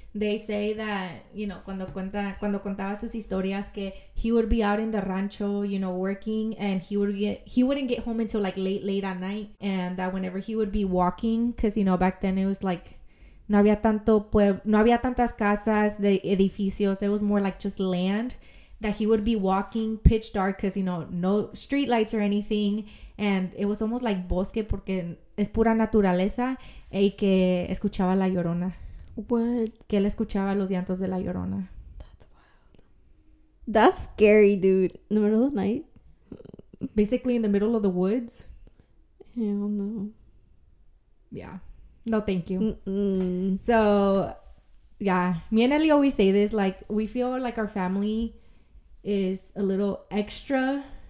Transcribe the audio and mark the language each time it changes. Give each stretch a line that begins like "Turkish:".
English: They say that, you know,
Spanish: cuando contaba sus historias, que
English: he would be out in the rancho, you know, working, and he wouldn't get home until like late at night, and that whenever he would be walking, because you know back then it was like
Spanish: no había tantas casas de edificios,
English: it was more like just land, that he would be walking pitch dark because, you know, no street lights or anything. And it was almost like
Spanish: bosque porque es pura naturaleza. Y que escuchaba la llorona. What? Que él escuchaba los llantos de la llorona.
English: That's wild. That's scary, dude. In the middle of the night? Basically in the middle of the woods. Hell no. Yeah. No, thank you. Mm-mm. So, yeah. Me and Ellie always say this. Like, we feel like our family is a little extra